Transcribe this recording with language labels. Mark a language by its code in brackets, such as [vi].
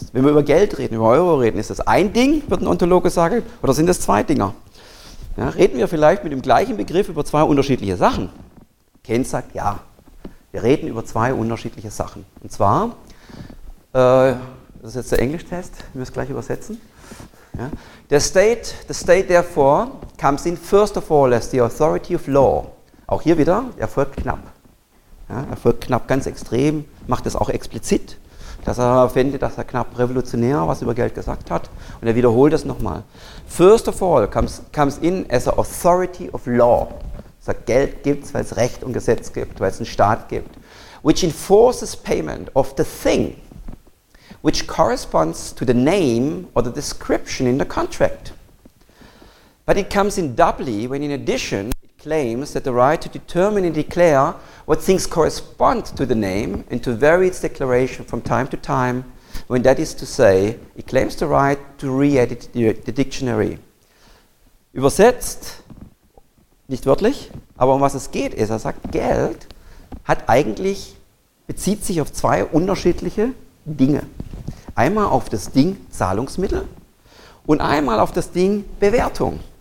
[de] Wenn wir über Geld reden, über Euro reden, ist das ein Ding, wird ein Ontologe sagen, oder sind das zwei Dinger? Ja, reden wir vielleicht mit dem gleichen Begriff über zwei unterschiedliche Sachen? Keynes sagt, ja, wir reden über zwei unterschiedliche Sachen. Und zwar, das ist jetzt der Englisch-Test, wir müssen es gleich übersetzen. Ja. [en] The state therefore comes in first of all as the authority of law. [de] Auch hier wieder, Erfolg knapp. Ja, Erfolg knapp, ganz extrem, macht es auch explizit, dass er findet, dass er knapp revolutionär was über Geld gesagt hat. Und er wiederholt das nochmal. [en] First of all comes in as the authority of law. [de] Sagt, Geld gibt es, weil es Recht und Gesetz gibt, weil es einen Staat gibt. [en] Which enforces payment of the thing which corresponds to the name or the description in the contract. But it comes in doubly when in addition it claims that the right to determine and declare what things correspond to the name and to vary its declaration from time to time, when that is to say, it claims the right to re-edit the dictionary. [de] Übersetzt, nicht wörtlich, aber um was es geht ist, er sagt, Geld hat eigentlich, bezieht sich auf zwei unterschiedliche Dinge. Einmal auf das Ding Zahlungsmittel und einmal auf das Ding Bewertung.